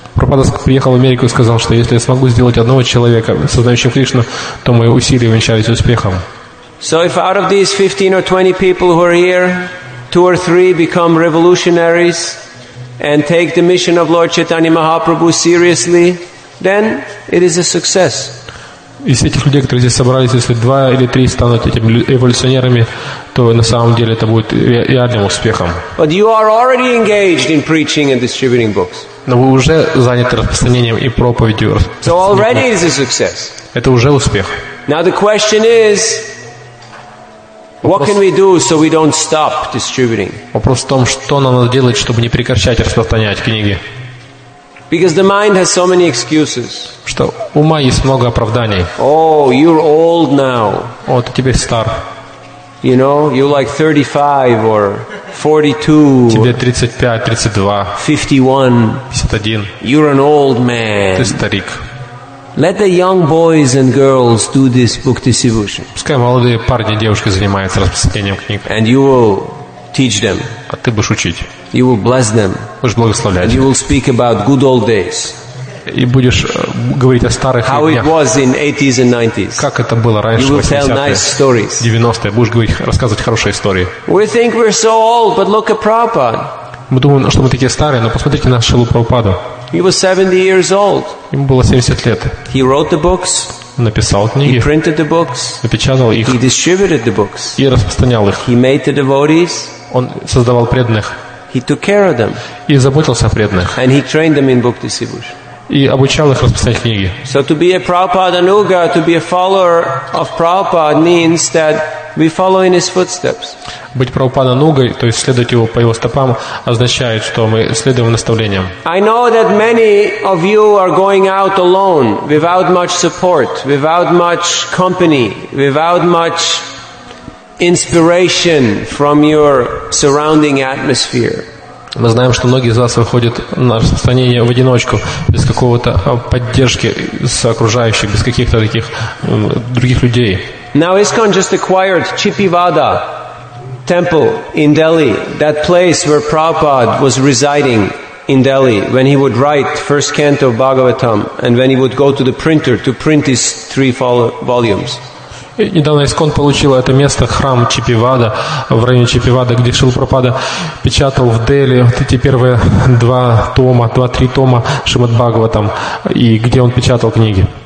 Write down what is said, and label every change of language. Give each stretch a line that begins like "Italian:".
Russian: Прабхупада приехал в Америку и сказал, что если я смогу сделать одного человека, сознающего Кришну, то мои усилия увенчались успехом.
English: So if out of these 15 or 20 people who are here, 2 or 3 become revolutionaries and take the mission of Lord Chaitanya Mahaprabhu seriously, then it is a success.
Russian: Из этих людей, которые здесь собрались, если 2 или 3 станут этими революционерами, то на самом деле это будет реальным успехом.
English: But you are already engaged in preaching and distributing books.
Russian: Но вы уже заняты распространением и проповедью.
English: So already it is a success.
Russian: Это уже успех.
English: Now the question is, what can we do so we don't stop distributing?
Russian: Вопрос в том, что нам надо делать, чтобы не прекращать распространять книги.
English: Because the mind has so many excuses.
Russian: Что ума есть много оправданий.
English: Oh, you're old now.
Russian: О, ты теперь стар.
English: You know, you're like 35 or 42.
Russian: Тебе 35, 32.
English: 51.
Russian: 51.
English: You're an old man.
Russian: Ты старик.
English: Let the young boys and girls do this book distribution.
Russian: Пускай молодые парни и девушки занимаются распространением книг.
English: And you will teach them.
Russian: А ты будешь учить.
English: You will bless them.
Russian: Будешь благословлять.
English: And you will speak about good old days.
Russian: И будешь говорить о старых
English: how
Russian: днях.
English: How it was in 80s and 90s.
Russian: Как это было раньше, 80-е, 90-е. Будешь говорить, рассказывать хорошие истории.
English: We think we're so old, but look at Prabhupada.
Russian: Мы думаем, что мы такие старые, но посмотрите на Шрилу Прабхупаду.
English: He was 70 years old.
Russian: Ему было 70 лет.
English: He wrote the books.
Russian: Написал книги.
English: He printed the books.
Russian: Напечатал их.
English: He distributed the books.
Russian: И распространял их.
English: He made the devotees.
Russian: Он создавал преданных.
English: He took care of them.
Russian: И заботился о преданных.
English: And he trained them in book distribution.
Russian: И обучал их распространять книги.
English: So to be a Prabhupada Anuga, to be a follower of Prabhupada means that we follow in his footsteps.
Russian: Быть Прабхупада Анугой, то есть следовать его по его стопам, означает, что мы следуем наставлениям.
English: I know that many of you are going out alone, without much support, without much company, without much inspiration from your surrounding atmosphere.
Russian: Мы знаем, что многие из вас выходят на распространение в одиночку, без какого-то поддержки с окружающих, без каких-то таких других людей.
English: Now ISKCON just acquired Chippivada temple in Delhi, that place where Prabhupada was residing in Delhi when he would write first canto of Bhagavatam and when he would go to the printer to print his three volumes.
Russian: Недавно ИСКОН получила это место, храм Чипивада, в районе Чипивада, где Шрила Прабхупада печатал в Дели вот эти первые два тома, два-три тома Шримад Бхагаватам, и где он печатал книги.